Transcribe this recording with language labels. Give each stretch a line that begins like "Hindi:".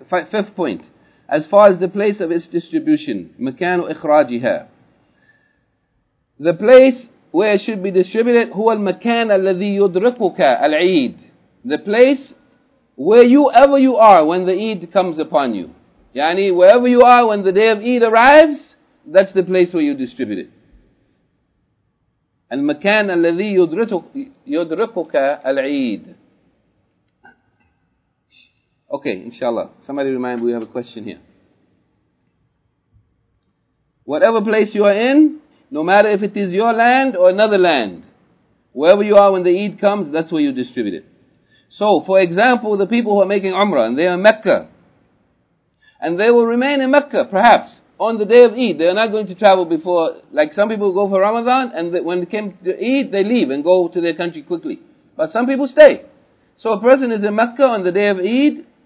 English: Fifth point. As far as the place of its distribution,
Arabic: مَكَانُ إِخْرَاجِهَا
English: The place where it should be distributed,
Arabic: هُوَ الْمَكَانَ الَّذِي يُدْرِقُكَ الْعِيدِ
English: The place where you ever you are when the Eid comes upon you. Yani wherever you are when the day of Eid arrives, that's the place where you distribute it.
Arabic: المكان الذي يدركك العيد.
English: Okay, inshallah. Somebody remind me, we have a question here. Whatever place you are in, no matter if it is your land or another land, wherever you are when the Eid comes, that's where you distribute it. So, for example, the people who are making Umrah, and they are in Mecca, and they will remain in Mecca, perhaps, on the day of Eid, they are not going to travel before, like some people go for Ramadan, and when it came to Eid, they leave and go to their country quickly. But some people stay. So a person is in Mecca on the day of Eid,